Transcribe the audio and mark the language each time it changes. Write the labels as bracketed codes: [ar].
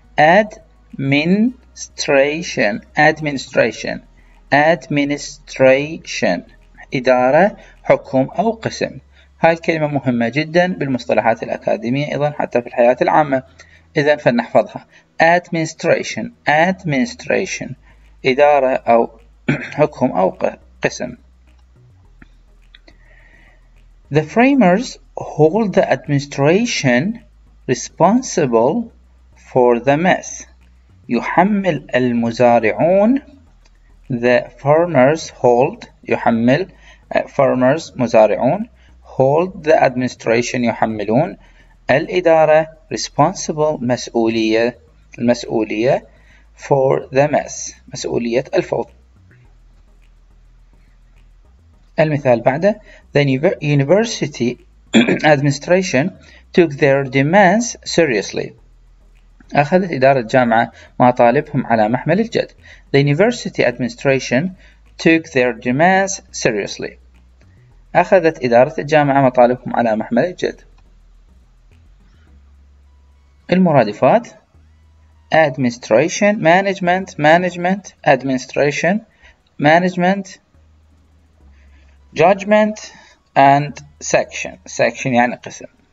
[ar] administration administration administration إدارة حكم أو قسم. هاي الكلمة مهمة جدا بالمصطلحات الأكاديمية أيضا حتى في الحياة العامة، إذا فلنحفظها administration. administration إدارة أو حكم أو قسم. [en] The framers hold the administration responsible for the mess. [ar] يحمل المزارعون [en] the farmers hold [ar] يحمل farmers مزارعون [en] hold the administration [ar] يحملون الإدارة responsible مسؤولية المسؤولية [en] for the mess [ar] مسؤولية الفوضى. المثال بعده [en] the university administration took their demands seriously. [ar] أخذت إدارة الجامعة مطالبهم على محمل الجد. [en] The university administration took their demands seriously. [ar] أخذت إدارة الجامعة مطالبهم على محمل الجد. [en] المرادفات administration management management administration management judgment and section section [ar] يعني قسم.